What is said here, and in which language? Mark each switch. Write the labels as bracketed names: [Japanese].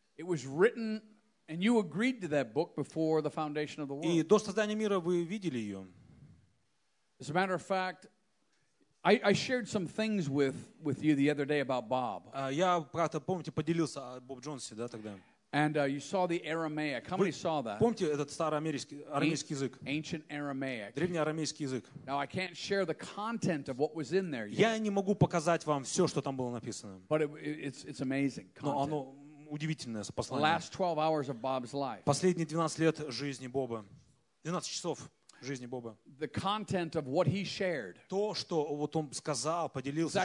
[English] It was written, and you agreed to that book before the foundation of the world. [Russian] И до создания мира вы видели ее. [English] As a matter of fact, I shared some things with you the other day about Bob. [Russian] Я правда помните поделился о Боб Джонсе, да тогда. [English] And you saw the Aramaic. How many saw that? [Russian] Помните этот староарамейский язык? [English] Ancient Aramaic. [Russian] Древний арамейский язык. [English] Now I can't share the content of what was in there. [Russian] Я не могу показать вам все, что там было написано. [English] But it's amazing. [Russian] Но оно удивительное послание. [English] Last 12 hours of Bob's life. [Russian] Последние 12 лет жизни Боба. 12 часов. [English] The content of what he shared. [Russian] То, что вот он сказал, поделился чем.